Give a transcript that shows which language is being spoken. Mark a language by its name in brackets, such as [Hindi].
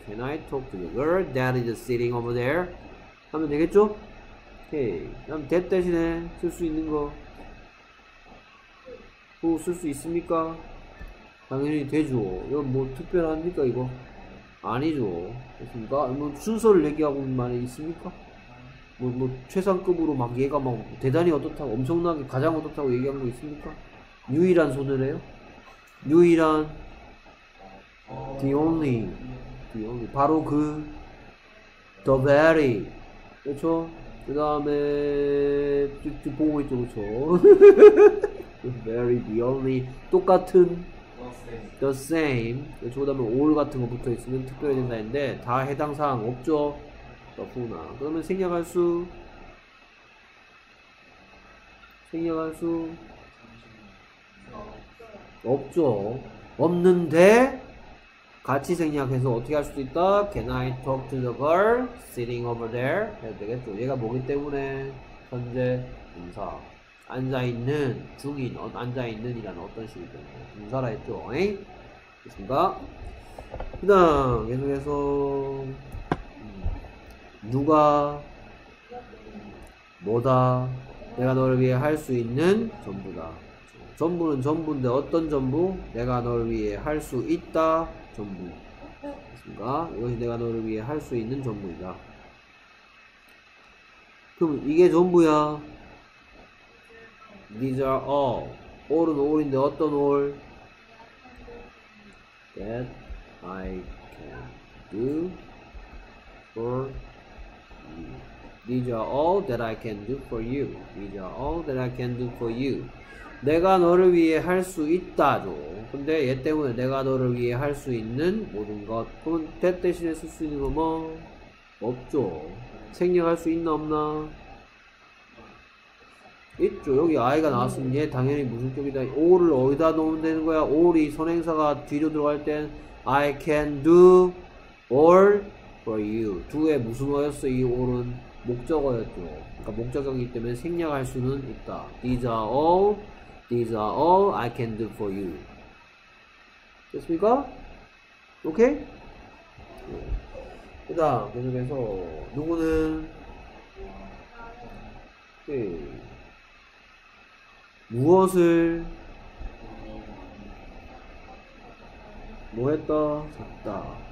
[English] Can I talk to the girl that is sitting over there? [Korean] 하면 되겠죠? 오케이. 그럼 that 대신에 쓸 수 있는 거 뭐 쓸 수 있습니까? 당연히 되죠. 이건 뭐 특별합니까 이거? 아니죠. 됐습니까? 뭐 순서를 얘기하고 있는 말이 있습니까? 뭐 최상급으로 막 얘가 막 대단히 어떻다고 엄청나게 가장 어떻다고 얘기한 거 있습니까? 유일한 소녀래요? 유일한 the only 바로 그 the very 그렇죠? 그 다음에 쭉쭉 보고 있죠 그렇죠? the very, the only 똑같은 [English] The same. [Korean] 요즘 보다면 all 같은 거 붙어 있으면 특별히 된다 했는데 다 해당 사항 없죠? 너구나. 그러면 생략할 수. 생략할 수. 없죠. 없는데 같이 생략해서 어떻게 할 수도 있다? [English] Can I talk to the girl sitting over there? [Korean] 해야 되겠죠. 얘가 뭐기 때문에 현재 분사. 앉아있는, 중인, 앉아있는이라는 어떤 식이 되는 거야? 분사라 했죠. 에이? 됐습니까? 그 다음, 계속해서, 누가, 뭐다, 내가 너를 위해 할수 있는 전부다. 전부는 전부인데 어떤 전부? 내가 너를 위해 할수 있다 전부. 됐습니까? 이것이 내가 너를 위해 할수 있는 전부이다. 그럼 이게 전부야? [English] These are all. [Korean] All은 all인데 어떤 all? [English] That I can do for you. These are all that I can do for you. These are all that I can do for you. [Korean] 내가 너를 위해 할수 있다죠. 근데 얘 때문에 내가 너를 위해 할수 있는 모든 것. 그럼 that 대신에 쓸수 있는 거 뭐? 없죠. 생략할 수 있나 없나? 있죠. 여기 I가 나왔으면 얘 당연히 무슨격이다. All을 어디다 놓으면 되는 거야? All이 선행사가 뒤로 들어갈 땐 I can do all for you. Do에 무슨 어였어? 이 All은 목적어였죠. 그러니까 목적어이기 때문에 생략할 수는 있다. [English] These are all I can do for you. [Korean] 됐습니까? 오케이? 그다음 계속해서 누구는 오케이. 무엇을 뭐했다? 샀다.